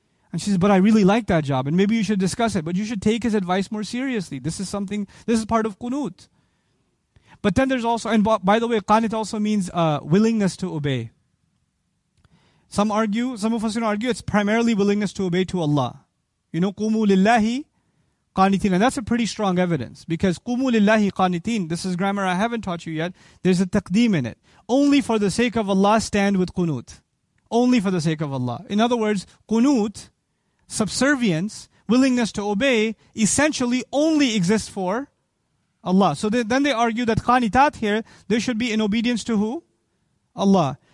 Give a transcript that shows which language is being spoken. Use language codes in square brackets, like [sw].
[en] And she says, but I really like that job, and maybe you should discuss it, but you should take his advice more seriously. This is part of qunut. But then there's also, and by the way, qanit also means willingness to obey. Some of us argue it's primarily willingness to obey to Allah. You know, [ar] قُمُوا لِلَّهِ قَانِتِينَ. [en] And that's a pretty strong evidence. Because [ar] قُمُوا لِلَّهِ قَانِتِينَ, [en] this is grammar I haven't taught you yet, there's a taqdeem in it. Only for the sake of Allah, stand with qunut. Only for the sake of Allah. In other words, qunut, subservience, willingness to obey, essentially only exists for Allah. So then they argue that qanitat here, they should be in obedience to who? Allah.